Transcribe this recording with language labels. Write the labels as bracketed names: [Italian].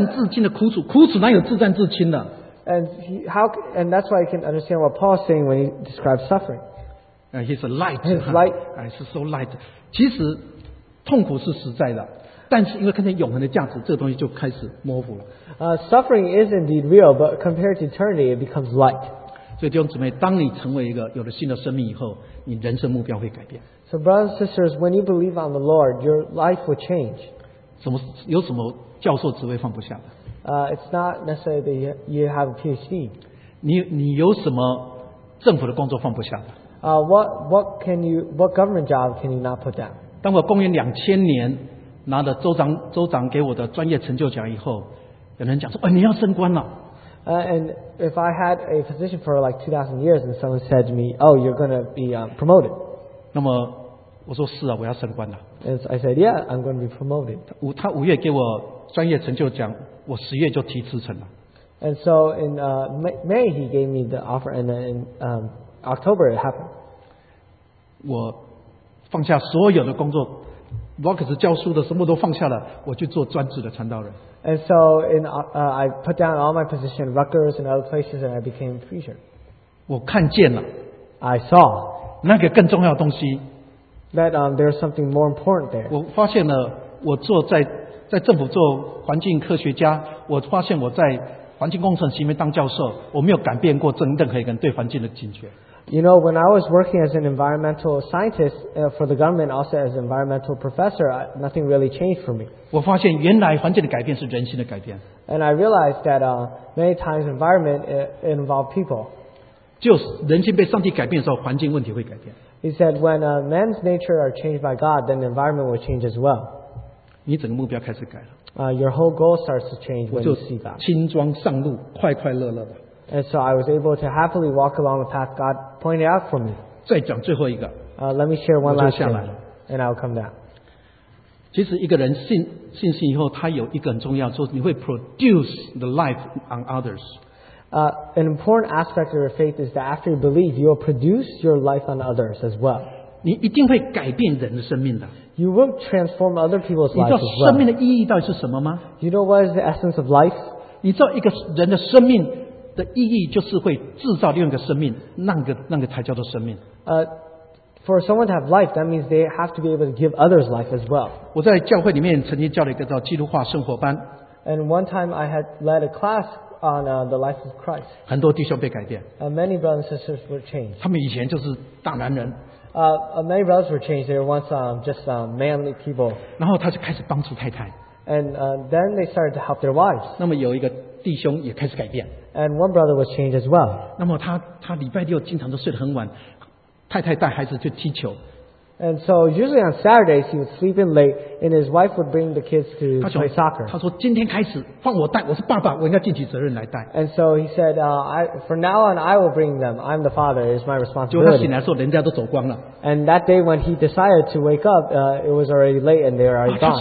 [Chinese] 你才会知道保罗为什么讲说啊自战自清的苦楚，苦楚哪有自战自清的？ [English] And that's why you can understand what Paul is saying when he describes suffering. He's a light. He's so light. [Chinese] 其实痛苦是实在的。 [English] Suffering is indeed real, but compared to eternity, it becomes light. [Chinese] 所以弟兄姊妹，当你成为一个有了新的生命以后，你人生目标会改变。 [English] So brothers and sisters, when you believe on the Lord, your life will change. [Chinese] 有什么教授职位放不下的? [English] It's not necessarily that you have a PhD. [Chinese] 你有什么政府的工作放不下的? [English] What government job can you not put down? [Chinese] 当我公元2000年拿了州长给我的专业成就奖以后, 有人讲说,你要升官了。 [English] And if I had a position for like 2,000 years and someone said to me, oh, you're going to be promoted. [Chinese] 那么我说是啊,我要升官了。 [English] I said, yeah, I'm going to be promoted. [Chinese] 他五月给我专业成就奖,我十月就提辞呈了。 [English] And so in May, he gave me the offer, and then in October, it happened. [Chinese] 我放下所有的工作, Rocks 教书的什么都放下了,我去做专职的传道人。 [English] And so in, I put down all my position, Rutgers and other places, and I became a preacher. [Chinese] 我看见了, [English] I saw [Chinese] 那个更重要的东西, [English] that there's something more important there. [Chinese] 我发现了我做在政府做环境科学家,我发现我在环境工程系里面当教授,我没有改变过任何一个人对环境的警觉。 [English] You know, when I was working as an environmental scientist for the government, also as an environmental professor, nothing really changed for me. [Chinese] 我发现原来环境的改变是人心的改变。And [English] I realized that many times environment involves people. [Chinese] 就是人心被上帝改变的时候，环境问题会改变。He [English] said when man's nature are changed by God, then the environment will change as well. [Chinese] 你整个目标开始改了。Your [English] whole goal starts to change when you see God. [Chinese] 轻装上路，快快乐乐的。 [English] And so I was able to happily walk along the path God pointed out for me. [Chinese] 再讲最后一个, [English] let me share one last thing, and I'll come down. [Chinese] 其实一个人信心以后,他有一个很重要, 你会 [English] produce the life on others. An important aspect of your faith is that after you believe, you will produce your life on others as well. [Chinese] 你一定会改变人的生命的。 [English] You will transform other people's lives as well. [Chinese] 你知道生命的意义到底是什么吗? [English] You know what is the essence of life? [Chinese] 你知道一个人的生命 的意义就是会制造另一个生命，那个才叫做生命。 [English] For someone to have life, that means they have to be able to give others life as well. [Chinese] 我在教会里面曾经教了一个叫基督化生活班。And [English] one time I had led a class on the life of Christ. [Chinese] 很多弟兄被改变。And [English] many brothers and sisters were changed. [Chinese] 他们以前就是大男人。Many [English] brothers were changed. They were once just manly people. [Chinese] 然后他就开始帮助太太。And [English] then they started to help their wives. [Chinese] 那么有一个 弟兄也开始改变, [English] and one brother was changed as well. [Chinese] 那么他礼拜六经常都睡得很晚, 太太带孩子去踢球, [English] and so usually on Saturdays he would sleep in late, and his wife would bring the kids to play soccer. [Chinese] 他说今天开始换我带,我是爸爸,我应该尽起责任来带。 [English] And so he said, from now on I will bring them. I'm the father. It's my responsibility. [Chinese] 结果他醒来的时候,人家都走光了。 [English] And that day when he decided to wake up, it was already late and they were already gone.